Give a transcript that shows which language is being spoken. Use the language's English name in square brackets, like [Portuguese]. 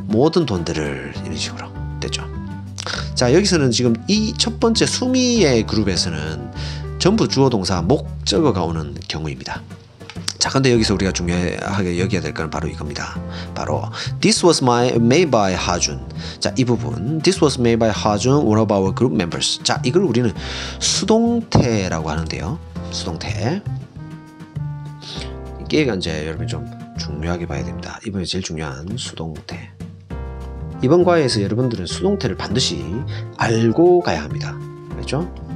[Korean] 모든 돈들을 이런 식으로 되죠. 자, 여기서는 지금 이 첫 번째 수미의 그룹에서는 전부 주어 동사 목적어가 오는 경우입니다. 근데 여기서 우리가 중요하게 여겨야 될 것은 바로 이겁니다. 바로 [English] This was made by Ha-jun. [Korean] 자, 이 부분 [English] This was made by Ha-jun, one of our group members. [Korean] 자, 이걸 우리는 수동태라고 하는데요. 수동태 이게 이제 여러분이 좀 중요하게 봐야 됩니다. 이번에 제일 중요한 수동태. 이번 과에서 여러분들은 수동태를 반드시 알고 가야 합니다. 알겠죠?